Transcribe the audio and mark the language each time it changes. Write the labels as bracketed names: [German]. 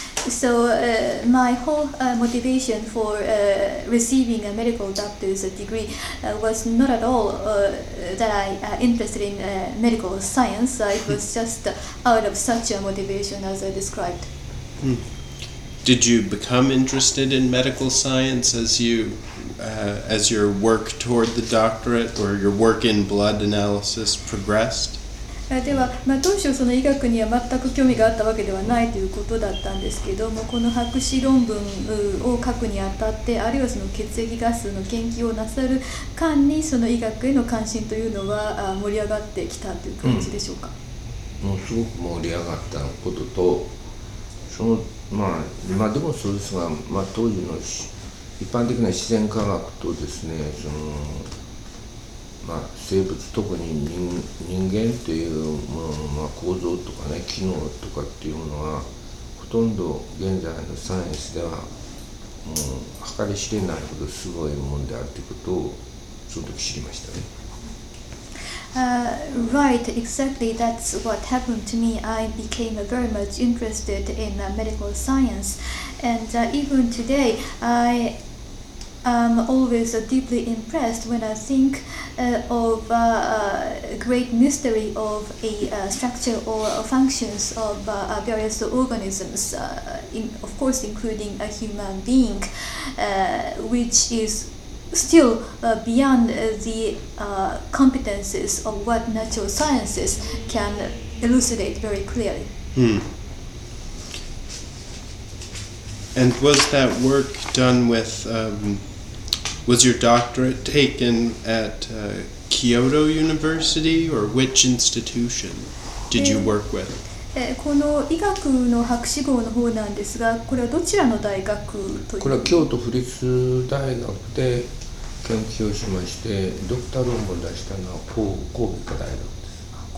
[English] So my whole motivation for receiving a medical doctor's degree was not at all that I interested in medical science. It was just out of such a motivation as I described. Hmm. Did you become interested in medical science as you as your work toward the doctorate or your work in blood analysis progressed? [Japanese] では、まあ、当初その医学には全く興味があったわけではないということだったんですけども、この博士論文を書くにあたって、あるいはその血液ガスの研究をなさる間にその医学への関心というのは盛り上がってきたという感じでしょうか。うん、もうすごく盛り上がったことと、そのまあ今でもそうですが、まあ、当時の一般的な自然科学とですね、そのまあ、生物特に 人間というものの、まあ、構造とかね機能とかっていうものはほとんど現在のサイエンスではもう計り知れないほどすごいものであるということをその時知りましたね。 [English] Right, exactly. That's what happened to me. I became very much interested in medical science, and even today, I am always deeply impressed when I think of a great mystery of a structure or functions of various organisms, of course, including a human being, which is. Still beyond the competences of what natural sciences can elucidate very clearly. Hmm. And was that work done with, was your doctorate taken at Kyoto University or which institution did you work with? [Japanese] この医学の博士号の方なんですが、これはどちらの大学というか？これは京都府立大学で研究をしまして、ドクター論文を出したのは神戸医科大学です。